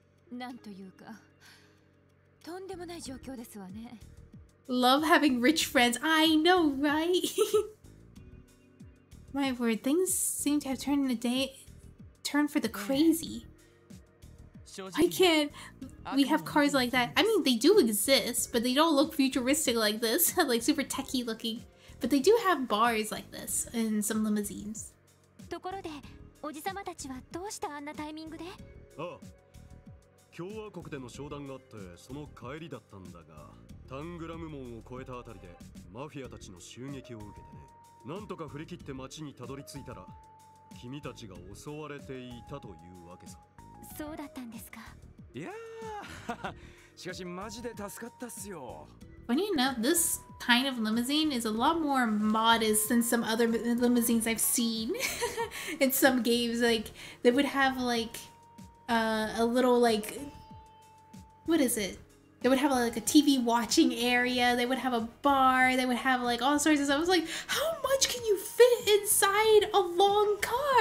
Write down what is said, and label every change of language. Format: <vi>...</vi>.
<ja>なんというか、とんでもない状況ですわね。</ja> <en>Love having rich friends. I know, right? My word, things seem to have turned for the crazy. I can't. We have cars like that. I mean, they do exist, but they don't look futuristic like this, like super techy looking. But they do have bars like this in some limousines.</en> <ja>ところで、おじさまたちはどうしてあんなタイミングで？ああ、共和国での商談があって、その帰りだったんだが。タングラム門を越えたあたりでマフィアたちの襲撃を受けてね。なんとか振り切って町にたどり着いたら、君たちが襲われていたというわけさ。そうだったんですか。いやしかしマジで助かったっすよ。</ja> <en>Funny enough, this kind of limousine is a lot more modest than some other limousines I've seen in some games. Like, they would have like a little like, what is it? They would have like a TV watching area, they would have a bar, they would have like all sorts of stuff. I was like, how much can you fit inside a long car?</en>